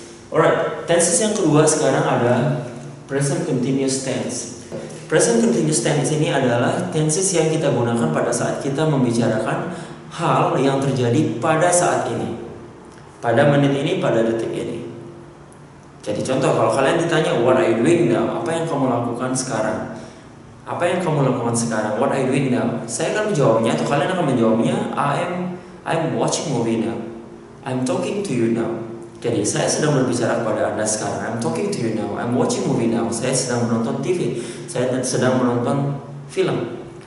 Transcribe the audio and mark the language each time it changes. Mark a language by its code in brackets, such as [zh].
[id] Alright, tenses yang kedua sekarang adalah present continuous tense. Present continuous tense ini adalah tenses yang kita gunakan pada saat kita membicarakan hal yang terjadi pada saat ini. Pada menit ini, pada detik ini. Jadi contoh, kalau kalian ditanya, [en] what are you doing now? [id] Apa yang kamu lakukan sekarang? Apa yang kamu lakukan sekarang? [en] What are you doing now? [id] Saya akan menjawabnya, atau kalian akan menjawabnya, [en] I'm watching movie now. I'm talking to you now. [id] Jadi saya sedang berbicara kepada Anda sekarang. [en] I'm talking to you now. I'm watching movie now. [id] Saya sedang menonton TV. Saya sedang menonton film.